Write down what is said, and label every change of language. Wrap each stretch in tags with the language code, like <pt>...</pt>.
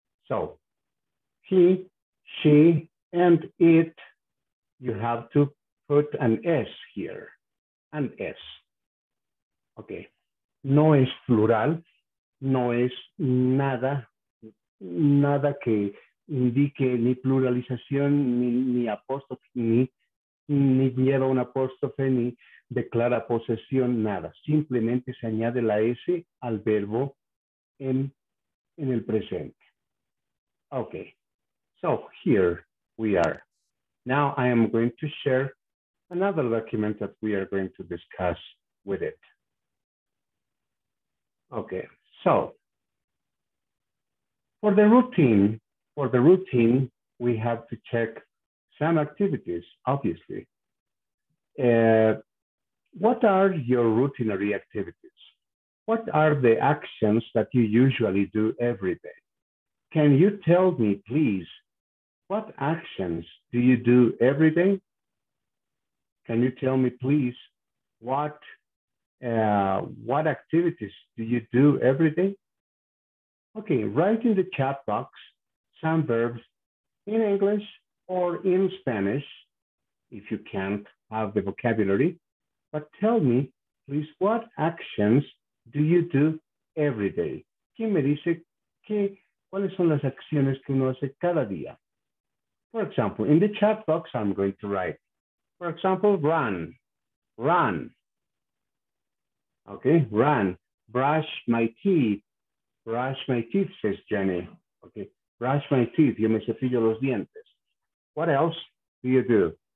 <en>So, he, she, and it, you have to put an S here. An S. Okay.</en> <es>No es plural. No es nada, nada que indique ni pluralización, ni apóstrofe, ni lleva un apóstrofe, ni declara posesión, nada. Simplemente se añade la S al verbo en el presente.</es> <en>Okay, so here we are. Now I am going to share another document that we are going to discuss with it. Okay. So, for the routine, we have to check some activities, obviously. What are your routinary activities? What are the actions that you usually do every day? Can you tell me, please, what actions do you do every day? Can you tell me, please, what activities do you do every day? Okay, write in the chat box some verbs in English or in Spanish, if you can't have the vocabulary, but tell me, please, what actions do you do every day?</en> <es>¿Quién me dice que, cuáles son las acciones que uno hace cada día?</es> <en>For example, in the chat box, I'm going to write, for example, run. Okay, run, brush my teeth, says Jenny. Okay, brush my teeth,</en> <es>yo me cepillo los dientes.</es> <en>What else do you do?</en>